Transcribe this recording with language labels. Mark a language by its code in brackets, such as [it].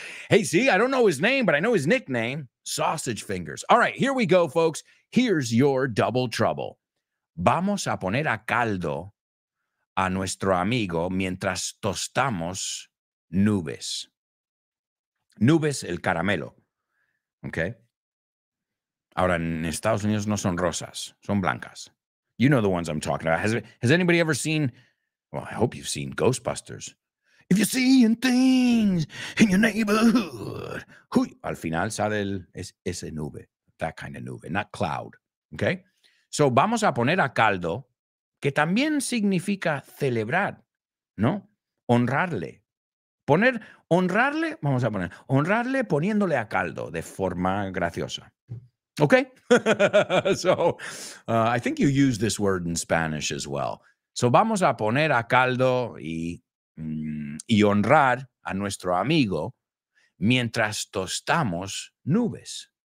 [en] Hey, see, I don't know his name, but I know his nickname. Sausage fingers. All right, here we go, folks. Here's your double trouble. [es] Vamos a poner a caldo a nuestro amigo mientras tostamos nubes. Nubes el caramelo, okay? Ahora, en Estados Unidos no son rosas, son blancas. [en] You know the ones I'm talking about. Has anybody ever seen, well, I hope you've seen Ghostbusters. If you're seeing things in your neighborhood, huy, [es] al final sale ese nube, [en] that kind of nube, not cloud, okay? [es] So vamos a poner a caldo, que también significa celebrar, ¿no? Honrarle. Poner, honrarle, vamos a poner, honrarle poniéndole a caldo de forma graciosa. Okay? [en] So, I think you use this word in Spanish as well. [es] So, vamos a poner a caldo y honrar a nuestro amigo mientras tostamos nubes.